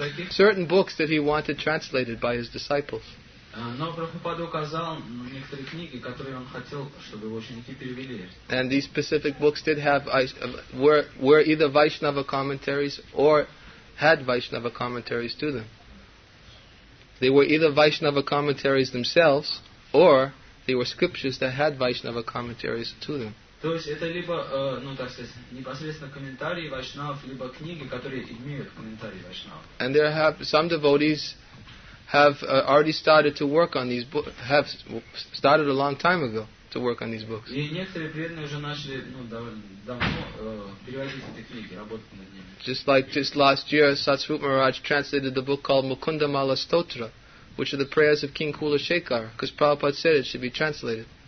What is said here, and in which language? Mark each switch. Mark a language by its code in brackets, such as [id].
[en] Certain books that he wanted translated by his disciples. [ru] Но Прабхупада указал некоторые книги, которые он хотел, чтобы его ученики перевели. [en] And these specific books did have were either Vaishnava commentaries or had Vaishnava commentaries to them. They were either Vaishnava commentaries themselves or they were scriptures that had Vaishnava commentaries to them. [ru] То есть это либо, ну так сказать, непосредственно комментарии Вайшнав, либо книги, которые имеют комментарии Вайшнав. [en] And there have some devotees have already started to work on these books, have started a long time ago to work on these books. [ru] И некоторые преданные уже начали, ну, давно переводить эти книги, работать над ними. [en] Just last year, Satsrup Maharaj translated the book called Mukunda Mala Stotra, which are the prayers of King Kulashekar, because Prabhupada said it should be translated.